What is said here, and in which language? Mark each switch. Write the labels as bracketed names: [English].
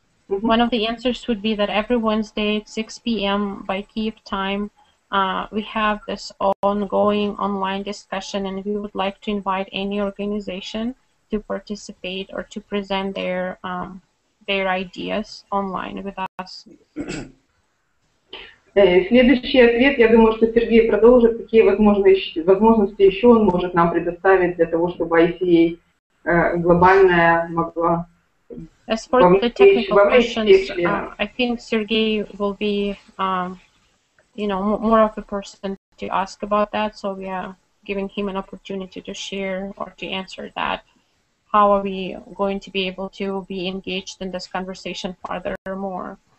[English] One of the answers would be that every Wednesday at 6 p.m. by Kyiv time, we have this ongoing online discussion, and we would like to invite any organization to participate or to present their ideas online with us. [Russian] Следующий ответ, я думаю, что Сергей продолжит, какие возможности еще он может нам предоставить для того, чтобы ICA глобальная могла. [English] As for the technical questions, I think Sergey will be, more of a person to ask about that. So we are giving him an opportunity to share or to answer that. How are we going to be able to be engaged in this conversation farther or more?